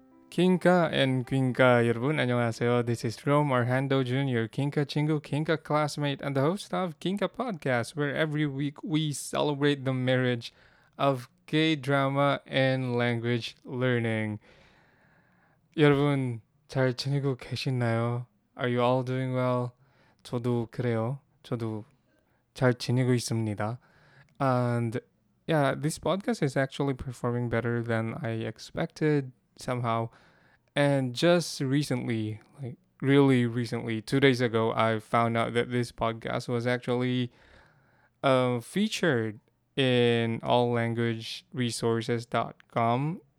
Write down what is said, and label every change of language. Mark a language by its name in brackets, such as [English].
[English] Kinka and Quinka, [Korean] 여러분, 안녕하세요. [English] This is Rome Arhando Jr., Kinka Chingu, Kinka classmate, and the host of Kinka Podcast, where every week we celebrate the marriage of gay drama and language learning. [Korean] 여러분, 잘 지내고 계시나요? [English] Are you all doing well? [Korean] 저도 그래요. 저도 잘 지내고 있습니다. [English] And yeah, this podcast is actually performing better than I expected somehow. And just recently, like really recently, 2 days ago, I found out that this podcast was actually featured in alllanguageresources.com.